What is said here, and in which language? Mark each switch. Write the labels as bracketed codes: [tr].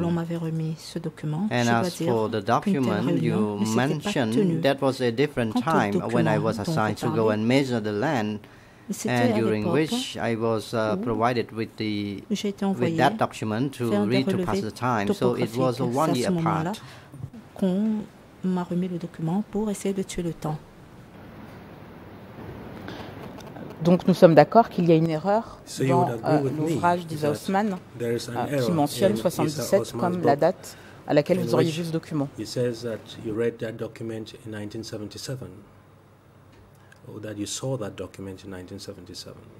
[fr] Où l'on m'avait remis ce document, [en] and as for the document you mentioned, that was a different time when I was assigned to go and measure the land, and during which I was provided with that document to read to pass the time. So it was a 1 year apart. [fr] Qu'on m'a remis le document pour essayer de tuer le temps. Donc nous sommes d'accord qu'il y a une erreur dans l'ouvrage d'Isa Osman qui mentionne 77 comme la date à laquelle vous auriez lu ce document. [en] He says that you read that document in 1977, or that you saw that document in 1977.